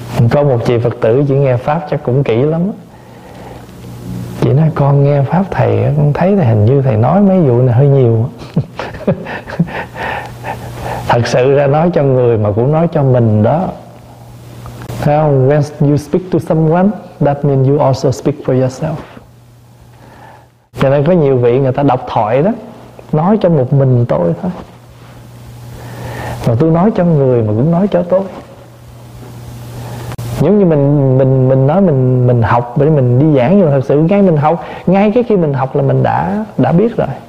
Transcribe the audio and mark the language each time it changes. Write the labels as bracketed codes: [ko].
[vi] Có một chị Phật tử, chị nghe pháp chắc cũng kỹ lắm. Chị nói con nghe pháp thầy, con thấy thầy hình như thầy nói mấy vụ này hơi nhiều. Thật sự ra nói cho người mà cũng nói cho mình đó. [en] When you speak to someone, that means you also speak for yourself. [vi] Cho nên có nhiều vị người ta đọc thoại đó, nói cho một mình tôi thôi. Mà tôi nói cho người mà cũng nói cho tôi. Giống như mình nói mình học để mình đi giảng, nhưng mà thật sự ngay mình học, ngay cái khi mình học là mình đã biết rồi.